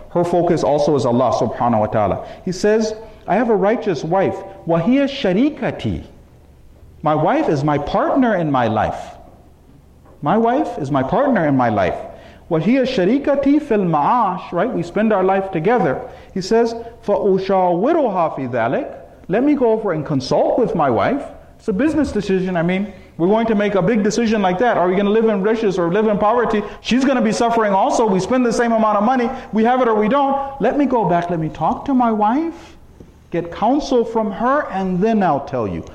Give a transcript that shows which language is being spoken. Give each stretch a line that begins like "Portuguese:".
English: Her focus also is Allah subhanahu wa ta'ala. He says, I have a righteous wife.
Arabic: Wahiya sharikati.
English: My wife is my partner in my life. My wife is my partner in my life.
Arabic: Wahiya sharikati fil ma'ash.
English: Right? We spend our life together. He says,
Arabic: فَأُشَاوِرُهَا فِي ذَلِكَ.
English: Let me go over and consult with my wife. It's a business decision. I mean, we're going to make a big decision like that. Are we going to live in riches or live in poverty? She's going to be suffering also. We spend the same amount of money. We have it or we don't. Let me go back. Let me talk to my wife. Get counsel from her, and then I'll tell you.